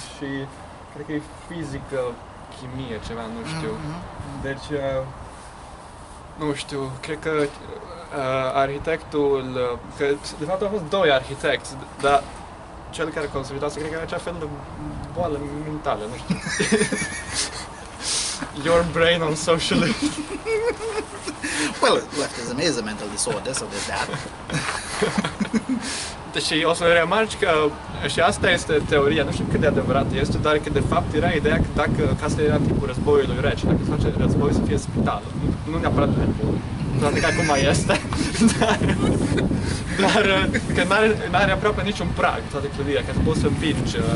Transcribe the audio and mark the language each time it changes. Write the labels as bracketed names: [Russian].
[Romanian] Și cred că e fizică, chimie, ceva, nu știu. Deci... nu știu, cred că... arhitectul, că de fapt au fost doi arhitecți, dar cel care a construit asta cred că era acea fel de boală mentală, nu știu. [English] Your brain on socialism. Well, leftism is a mental disorder, so there's that. [Romanian] Deci o să remarci că, și asta este teoria, nu știu cât de adevărat este, dar că de fapt era ideea că dacă, că asta era tipul războiului rece, dacă se face război să fie spital, nu neapărat de nebun. Toate că acum este, dar că n-are aproape niciun prag toată clădirea, că poți să împingi...